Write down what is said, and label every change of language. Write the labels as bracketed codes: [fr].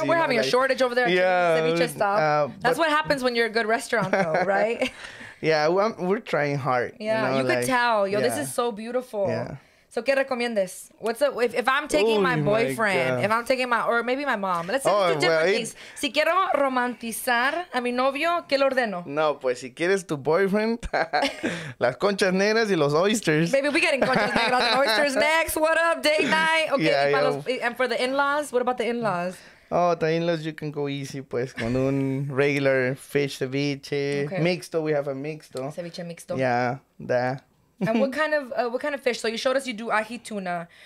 [en] Yeah, we're having a shortage over there at Ceviche Stop. That's what happens when you're a good restaurant, though, right? Yeah, we're trying hard. Yeah, you know, you could tell. Yo, this is so beautiful. Yeah. [es] So, ¿qué recomiendas? [en] What's up? If I'm taking my boyfriend, my if I'm taking my, or maybe my mom, let's say two different things. [es] Si quiero romantizar a mi novio, ¿qué le ordeno? No, pues si quieres tu boyfriend, las conchas negras y los oysters. [en] Baby, we're getting conchas negras and oysters next. What up, date night? Okay, and for the in-laws, what about the in-laws? Oh, the in-laws, you can go easy, [es] pues, con un [en] regular fish ceviche. Okay. Mixto, we have a mixto. [es] Ceviche mixto. [en] Yeah, that. And what kind of fish? So you showed us you do ahi tuna.